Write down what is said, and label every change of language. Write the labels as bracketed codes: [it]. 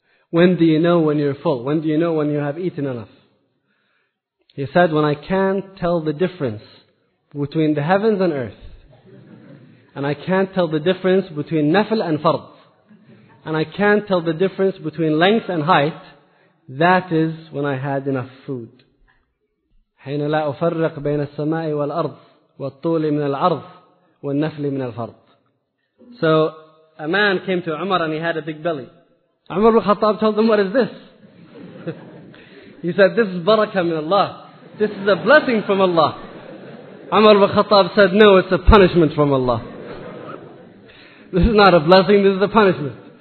[en] When do you know when you're full? When do you know when you have eaten enough? He said, when I can't tell the difference between the heavens and earth, and I can't tell the difference between nafil and fard, and I can't tell the difference between length and height, that is when I had enough food. [ar] حين لا أفرق بين السماء والأرض والطول من الأرض والنفل من الفرض. [en] So a man came to Umar and he had a big belly. Umar ibn Khattab told him, what is this? He said, this is barakah from Allah. This is a blessing from Allah. Umar ibn Khattab said, no, it's a punishment from Allah. This is not a blessing, this is a punishment.